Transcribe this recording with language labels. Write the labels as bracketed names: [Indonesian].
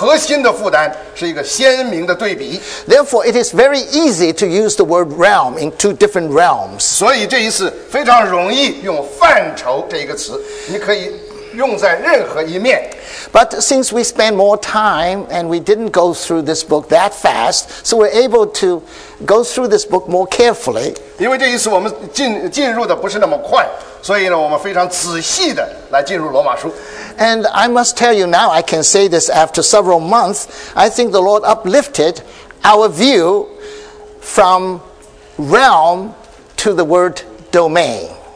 [Chinese] 我提到了罗马书这个核心的负担是一个鲜明的对比。 [English] Therefore, it is very easy to use the word realm in two different realms. [Chinese] 所以这一次非常容易用范畴这一个词，你可以。用在任何一面。 [English] But since we spend more time and we didn't go through this book that fast, so we're able to go through this book more carefully. [Chinese] 因为这一次我们进入的不是那么快，所以呢，我们非常仔细的来进入罗马书。 [English] And I must tell you now, I can say this after several months, I think the Lord uplifted our view from realm to the word domain.